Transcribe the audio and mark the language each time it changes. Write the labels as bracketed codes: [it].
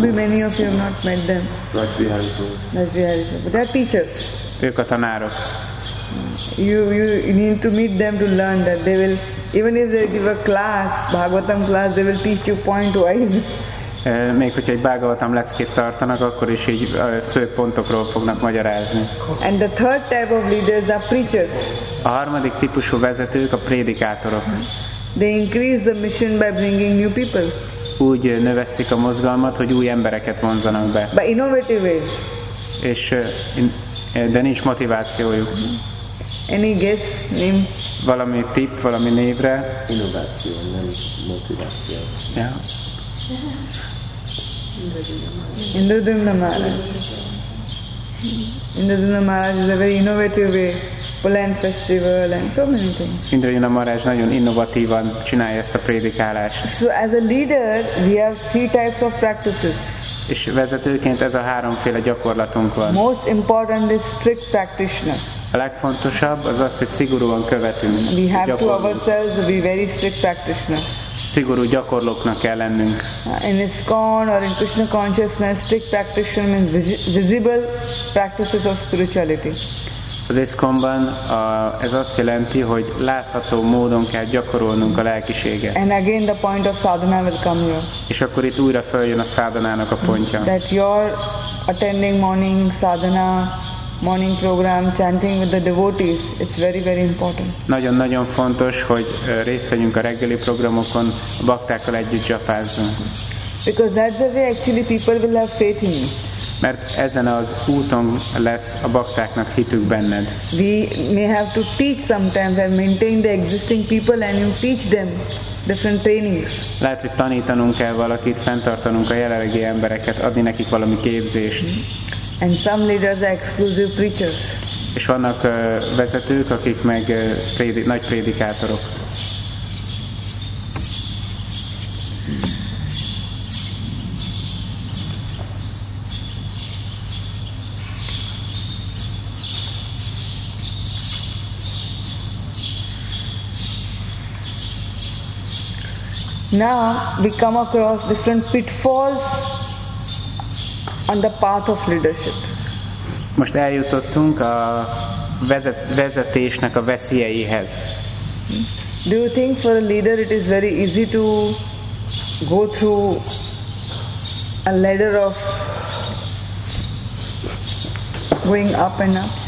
[en] Maybe many of you have not met them. Rajvihari Prabhu. They are teachers. [hu] Ők a tanárok. [en] You need to meet them to learn that they will, even if they give a class, Bhagavatam class, they will teach you point wise. [hu] Még hogyha egy Bhagavatam leckét tartanak, akkor is így fő pontokról fognak magyarázni. [en] And the third type of leaders are preachers. [hu] A harmadik típusú vezetők a prédikátorok. [en] They increase the mission by bringing new people. [hu] Úgy növesztik a mozgalmat, hogy új embereket vonzanak be. [en] By innovative ways. [hu] És de nincs motivációjuk. [en] Any guess, name? [hu] Valami tipp, valami névre. Innováció, nem motiváció. [en] Yeah. Indradyumna Maharaj. Indradyumna Maharaj is a very innovative way. Poland festival and so many things. [hu] Indradyumna Maharaj nagyon innovatívan csinálja ezt a prédikálást. [en] So as a leader, we have three types of practices. [hu] És vezetőként ez a háromféle gyakorlatunk van. [en] Most important is strict practitioner. [hu] A legfontosabb az az, hogy szigorúan követünk. [en] We have to ourselves be very strict practitioner. [hu] Szigorú gyakorlóknak kell lennünk. [en] In ISKCON or in Krishna consciousness, strict practitioner means visible practices of spirituality. [hu] Az ISKCON-ban ez azt jelenti, hogy látható módon kell gyakorolnunk a lelkiséget. [en] And again the point of sadhana will come here. [hu] És akkor itt újra följön a sadhanának a pontja. [en] That you're attending morning sadhana, morning program, chanting with the devotees, it's very very important. [hu] Nagyon-nagyon fontos, hogy részt vegyünk a reggeli programokon, a baktákkal együtt japázzunk. [en] Because that's the way actually people will have faith in you. [hu] Mert ezen az úton lesz a baktáknak hitük benned. [en] We may have to teach sometimes and maintain the existing people and you teach them different trainings. [hu] Lehet, hogy tanítanunk kell valakit, fenntartanunk a jelenlegi embereket, adni nekik valami képzést. [en] And some leaders are exclusive preachers. [hu] És vannak vezetők, akik meg nagy prédikátorok. [en] Now we come across different pitfalls on the path of leadership. [hu] Most eljutottunk a vezetésnek a veszélyeihez. [en] Do you think for a leader it is very easy to go through a ladder of going up and up?